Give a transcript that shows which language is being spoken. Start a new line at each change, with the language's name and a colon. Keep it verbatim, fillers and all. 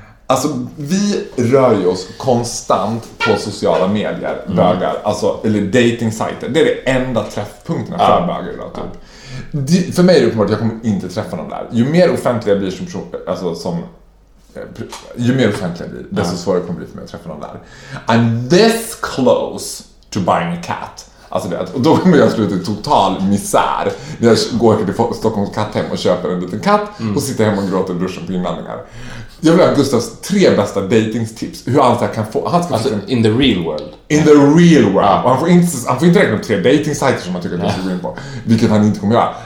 Swedish: Alltså vi rör ju oss konstant på sociala medier, mm. bögar, alltså, eller dating-sajter. Det är det enda träffpunkterna för ja. bögar idag, typ. Ja. Det, för mig är det uppenbart att jag kommer inte träffa någon där. Ju mer offentliga jag blir som, alltså, som ju mer offentliga jag blir, desto ja. svårare kommer det bli för mig att träffa någon där.
English: I'm this close to buying a cat.
Swedish: Alltså det, och då kommer jag sluta i total misär när jag går till Stockholms katthem och köper en liten katt mm. och sitter hemma och gråter i duschen på inlandningar. Jag vill ha Gustavs tre bästa datingstips. Hur allt jag kan få. Han ska alltså få
English: in the real world. In the real world. Ja.
Swedish: Han, får inte, han får inte räkna upp tre dating-sajter som han tycker att han ska gå in på. Vilket han inte kommer göra.